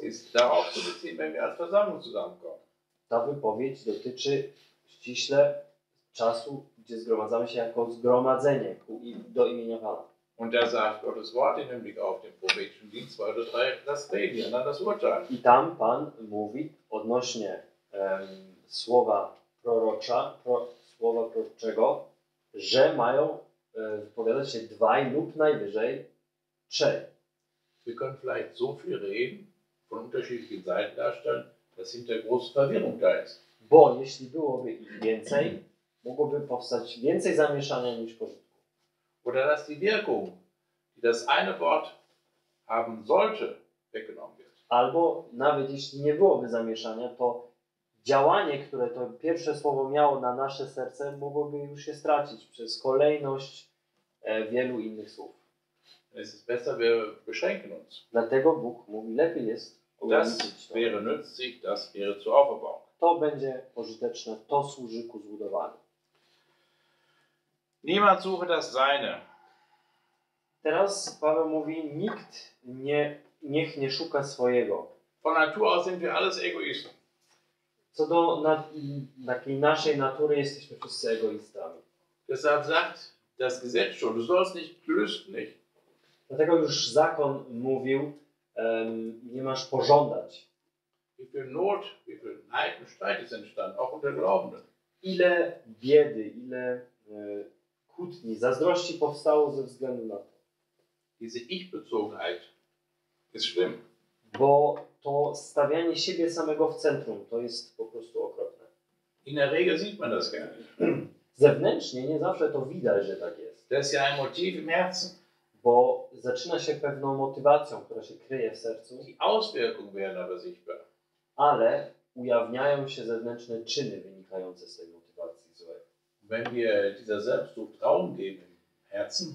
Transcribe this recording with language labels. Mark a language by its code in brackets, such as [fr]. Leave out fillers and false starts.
[de] Ist darauf zu beziehen, wenn wir als Versammlung zusammenkommen. [pl] Ta wypowiedź dotyczy ściśle czasu, gdzie zgromadzamy się jako zgromadzenie do imienia Pana. [de] Und er sagt Gottes Wort in Hinblick auf den prophetischen Dienst 2 oder 3, das Reden, dann das Urteil. [pl] I tam Pan mówi odnośnie słowa prorocza, słowa proroczego, że mają wypowiadać się dwaj lub najwyżej trzej. [de] Wir können vielleicht so viel reden, von unterschiedlichen Seiten darstellen, dass hinter große Verwirrung da ist. [pl] Bo jeśli byłoby ich więcej, mogłoby powstać więcej zamieszania niż pożytku. [de] Oder dass die Wirkung, die das eine Wort haben sollte, weggenommen wird. [pl] Albo nawet jeśli nie byłoby zamieszania, to działanie, które to pierwsze słowo miało na nasze serce, mogłoby już się stracić przez kolejność wielu innych słów. [de] Es ist besser, wir beschränken uns. [pl] Dlatego Bóg mówi, lepiej jest ograniczyć to. [de] Das wäre nützlich, das wäre zur Aufbauung. [pl] To będzie pożyteczne, to służy ku zbudowaniu. [de] Niemand suche das Seine. [pl] Teraz Paweł mówi, nikt nie, niech nie szuka swojego. [de] Von Natur aus sind wir alles Egoisten. [pl] Co do takiej naszej natury jesteśmy wszyscy egoistami. [de] Deshalb sagt das Gesetz schon, du sollst nicht lüsten, nicht? [pl] Dlatego już zakon mówił, nie masz pożądać. [de] Wie viel Not, wie viel Neid und Streit ist entstanden, auch unter Glaubenden. [pl] Ile biedy, ile kłótni, zazdrości powstało ze względu na to. [de] diese Ich-Bezogenheit ist schlimm. [pl] Bo to stawianie siebie samego w centrum, to jest po prostu okropne. [de] In der Regel sieht man das gar nicht. [pl] Zewnętrznie nie zawsze to widać, że tak jest. [de] Das ist ja ein Motiv im Herzen. [pl] Bo zaczyna się pewną motywacją, która się kryje w sercu. [de] Die Auswirkung werden aber sichtbar. [pl] Ale ujawniają się zewnętrzne czyny wynikające z tej motywacji złej. [de] Wenn wir dieser Selbstsucht Raum geben im Herzen.